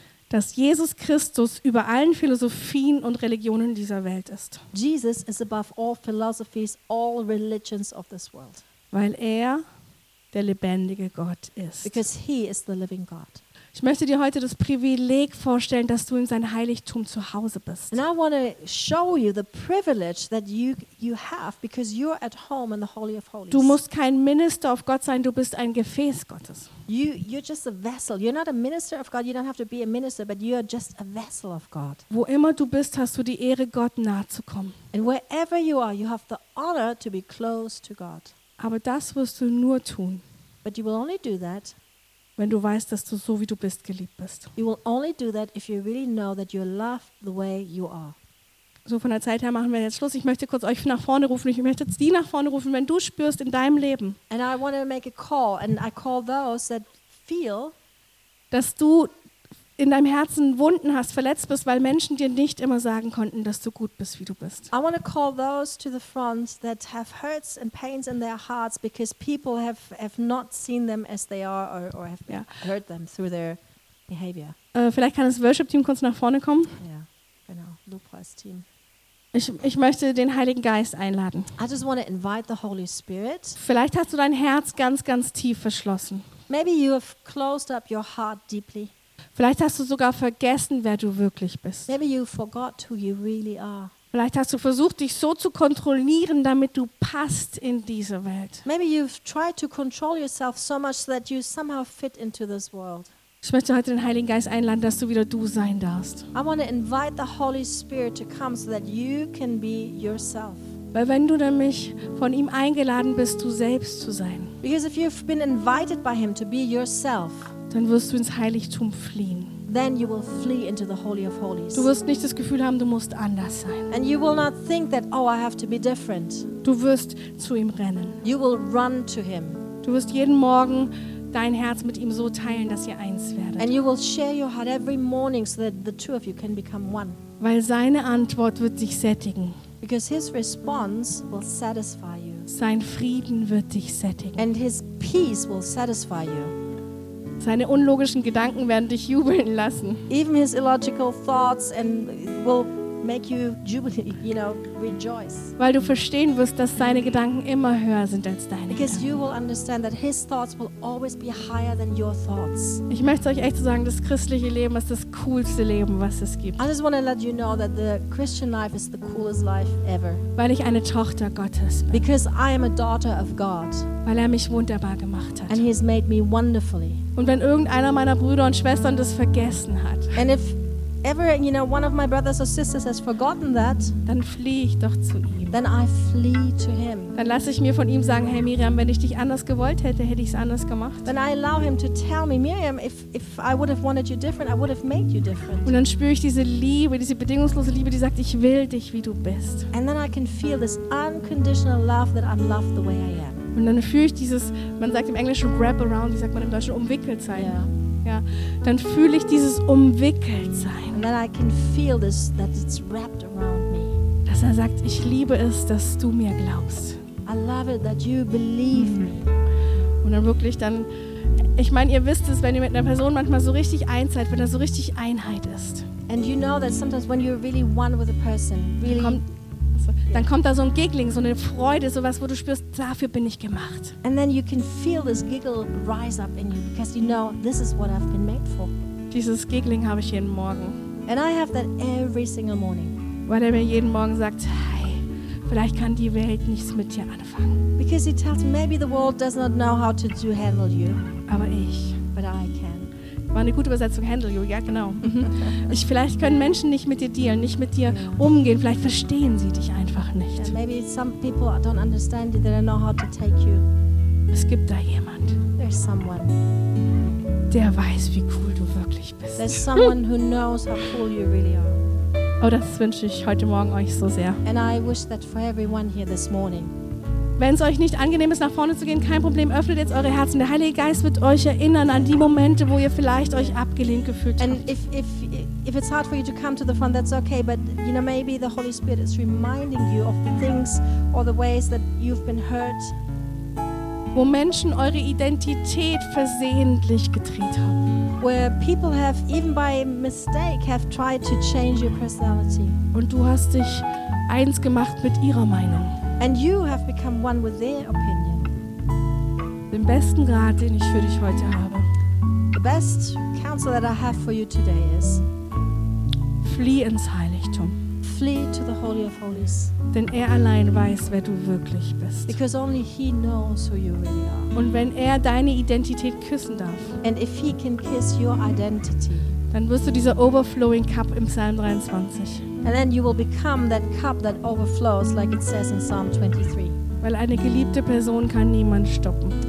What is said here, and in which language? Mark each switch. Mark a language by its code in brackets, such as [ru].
[de] Dass Jesus Christus über allen Philosophien und Religionen dieser Welt ist. [en] Jesus is above all philosophies, all religions of this world. [de] Weil er der lebendige Gott ist. [en] Because he is the living God. [de] Ich möchte dir heute das Privileg vorstellen, dass du in sein Heiligtum zu Hause bist. [en] And I want to show you the privilege that you have because you're at home in the Holy of Holies. [de] Du musst kein [en] Minister of God [de] sein, du bist ein Gefäß Gottes. [en] You're just a vessel. You're not a minister of God. You don't have to be a minister, but you are just a vessel of God. [de] Wo immer du bist, hast du die Ehre, Gott nahe zu kommen. [en] And wherever you are, you have the honor to be close to God. [de] Aber das wirst du nur tun, [en] but you will only do that, [de] wenn du weißt, dass du so wie du bist geliebt bist. [en] You will only do that if you really know that you're loved the way you are. [de] So, von der Zeit her machen wir jetzt Schluss. Ich möchte kurz euch nach vorne rufen. Ich möchte jetzt die nach vorne rufen, wenn du spürst in deinem Leben. [en] And I want to make a call, and I call those that feel, [de] dass du in deinem Herzen Wunden hast, verletzt bist, weil Menschen dir nicht immer sagen konnten, dass du gut bist, wie du bist. [en] I want to call those to the front that have hurts and pains in their hearts because people have not seen them as they are or have yeah. hurt them through their behavior. [de] Vielleicht kann das Worship Team kurz nach vorne kommen. Ja, yeah, genau. Lobpreis Team. Ich möchte den Heiligen Geist einladen. [en] I just want to invite the Holy Spirit. [de] Vielleicht hast du dein Herz ganz ganz tief verschlossen. [en] Maybe you have closed up your heart deeply. [de] Vielleicht hast du sogar vergessen, wer du wirklich bist. [en] Maybe you forgot who you really are. [de] Vielleicht hast du versucht, dich so zu kontrollieren, damit du passt in diese Welt. [en] Maybe you've tried to control yourself so much that you somehow fit into this world. [de] Ich möchte heute den Heiligen Geist einladen, dass du wieder du sein darfst. [en] I want to invite the Holy Spirit to come so that you can be yourself. [de] Weil wenn du nämlich von ihm eingeladen bist, du selbst zu sein. [en] Because if you've been invited by him to be yourself. [de] Dann wirst du ins Heiligtum fliehen. [en] Then you will flee into the Holy of Holies. [de] Du wirst nicht das Gefühl haben, du musst anders sein. [en] And you will not think that, oh, I have to be different. [de] Du wirst zu ihm rennen. [en] You will run to him. [de] Du wirst jeden Morgen dein Herz mit ihm so teilen, dass ihr eins werdet. [en] And you will share your heart every morning so that the two of you can become one. [de] Weil seine Antwort wird dich sättigen. [en] Because his response will satisfy you. [de] Sein Frieden wird dich sättigen. [en] And his peace will satisfy you. [de] Seine unlogischen Gedanken werden dich jubeln lassen. [en] Even his illogical thoughts and will make you jubilee, you know, rejoice. [de] Weil du verstehen wirst, dass seine Gedanken immer höher sind als deine. [en] Because [de] Gedanken. [en] You will understand that his thoughts will always be higher than your thoughts. [de] Ich möchte euch echt sagen, das christliche Leben ist das coolste Leben, was es gibt. [en] I just want to let you know that the Christian life is the coolest life ever. [de] Weil ich eine Tochter Gottes bin. [en] Because I am a daughter of God. [de] Weil mich wunderbar gemacht hat. [en] And he has made me wonderfully. [de] Und wenn irgendeiner meiner Brüder und Schwestern das vergessen hat. [en] And if ever, you know, one of my brothers or sisters has forgotten that, [de] dann fliehe ich doch zu ihm. [en] Then I flee to him. [de] Dann lasse ich mir von ihm sagen, hey Miriam, wenn ich dich anders gewollt hätte, hätte ich es anders gemacht. [en] Then I allow him to tell me, Miriam, if I would have wanted you different, I would have made you different. [de] Und dann spüre ich diese Liebe, diese bedingungslose Liebe, die sagt, ich will dich, wie du bist. [en] And then I can feel this unconditional love that I'm loved the way I am. [de] Und dann fühle ich dieses, man sagt im Englischen [en] wrap around, [de] wie sagt man im Deutschen, umwickelt sein. [en] Yeah. [de] Ja, dann fühle ich dieses umwickelt sein. [en] And then I can feel this, that it's wrapped around me. [de] Dass er sagt, ich liebe es, dass du mir glaubst. [en] I love it that you believe me. [de] Und dann wirklich dann, ich meine, ihr wisst es, wenn ihr mit einer Person manchmal so richtig eins seid, wenn da so richtig Einheit ist. [en] And you know that sometimes when you're really one with a person, really. [de] Dann kommt da so ein Giggling, so eine Freude, sowas, wo du spürst, dafür bin ich gemacht. [en] And then you can feel this giggle rise up in you because you know this is what I've been made for. [de] Dieses Giggling habe ich jeden Morgen. [en] And I have that every single morning. [de] Weil er mir jeden Morgen sagt, hey, vielleicht kann die Welt nichts mit dir anfangen. [en] Because he tells me maybe the world does not know how to handle you. [de] Aber ich. [en] But I can. [de] War eine gute Übersetzung, [en] handle you, [de] ja genau. Ich, vielleicht können Menschen nicht mit dir dealen, nicht mit dir umgehen, vielleicht verstehen sie dich einfach nicht. [en] Yeah, maybe some people don't understand you, they don't know how to take you. [de] Es gibt da jemand, [en] there's someone, [de] der weiß, wie cool du wirklich bist. [en] There's someone who knows how cool you really are. [de] Oh, das wünsche ich heute Morgen euch so sehr. [en] And I wish that for everyone here this morning. [de] Wenn es euch nicht angenehm ist, nach vorne zu gehen, kein Problem, öffnet jetzt eure Herzen. Der Heilige Geist wird euch erinnern an die Momente, wo ihr vielleicht euch abgelehnt gefühlt [en] and [de] habt. [en] And if it's hard for you to come to the front, that's okay, but you know, maybe the Holy Spirit is reminding you of the things or the ways that you've been hurt. [de] Wo Menschen eure Identität versehentlich gedreht haben. [en] Where people have, even by mistake, have tried to change your personality. [de] Und du hast dich eins gemacht mit ihrer Meinung. [en] And you have become one with their opinion. [de] Den besten Rat, den ich für dich heute habe. [en] The best counsel that I have for you today is. [de] Flieh ins Heiligtum. [en] Flee to the Holy of Holies. [de] Denn er allein weiß, wer du wirklich bist. [en] Because only he knows who you really are. [de] Und wenn er deine Identität küssen darf. [en] And if he can kiss your identity. [de] Dann wirst du dieser [en] overflowing cup [de] im Psalm 23. [en] And then you will become that cup that overflows, like it says in Psalm 23. [de] Weil eine geliebte Person kann niemand stoppen.